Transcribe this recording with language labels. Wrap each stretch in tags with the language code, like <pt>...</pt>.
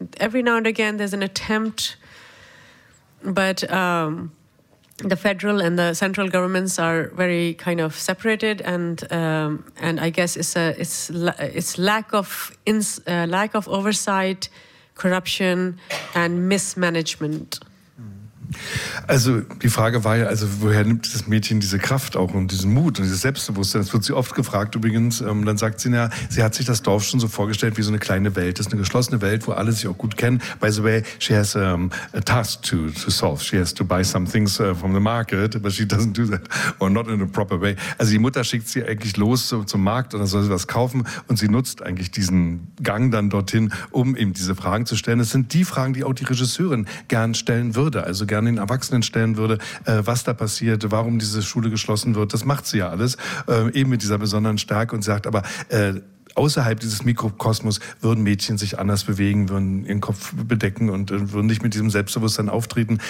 <en>Every now and again, there's an attempt, but the federal and the central governments are very kind of separated, and I guess it's lack of oversight, corruption, and mismanagement.</en> <de>Also die Frage war ja, also woher nimmt das Mädchen diese Kraft auch und diesen Mut und dieses Selbstbewusstsein? Das wird sie oft gefragt übrigens. Dann sagt sie, sie hat sich das Dorf schon so vorgestellt wie so eine kleine Welt. Das ist eine geschlossene Welt, wo alle sich auch gut kennen.</de> <en>By the way, she has a task to solve. She has to buy some things from the market, but she doesn't do that or not in a proper way.</en> <de>Also die Mutter schickt sie eigentlich los zum Markt und dann soll sie was kaufen, und sie nutzt eigentlich diesen Gang dann dorthin, um eben diese Fragen zu stellen. Das sind die Fragen, die auch die Regisseurin gern stellen würde, also gern den Erwachsenen stellen würde, was da passiert, warum diese Schule geschlossen wird. Das macht sie ja alles, eben mit dieser besonderen Stärke, und sagt aber, außerhalb dieses Mikrokosmos würden Mädchen sich anders bewegen, würden ihren Kopf bedecken und würden nicht mit diesem Selbstbewusstsein auftreten.</de>